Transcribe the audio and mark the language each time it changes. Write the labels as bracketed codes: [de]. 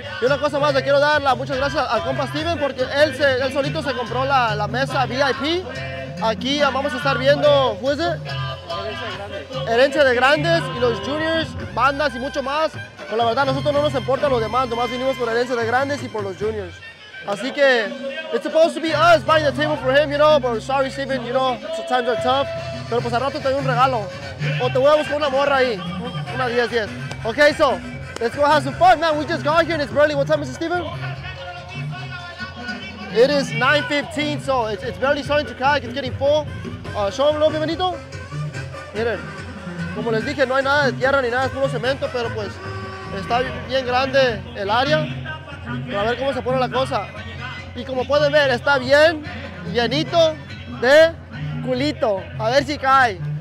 [es] Y una cosa más, le quiero dar las muchas gracias al compa Steven porque él solito se compró la mesa VIP. Aquí vamos a estar viendo, [en] ¿who is it? [es] Herencia de Grandes y los Juniors, bandas y mucho más. Pero la verdad, a nosotros no nos importa lo demás, nomás vinimos por Herencia de Grandes y por los Juniors. Así que, [en] it's supposed to be us buying the table for him, you know, but sorry Steven, you know, times are tough. [es] Pero pues al rato te doy un regalo. O te voy a buscar una morra ahí, una 10-10. [en] Ok, so, let's go have some fun, man. We just got here and it's early. What time is it, Steven? It is 9:15, so it's barely starting to crack, it's getting full. Show them a little bit, Benito. [es] Miren, como les dije, no hay nada de tierra ni nada, es puro cemento, pero pues está bien grande el área. Para ver cómo se pone la cosa. Y como pueden ver, está bien llenito de culito. A ver si cae.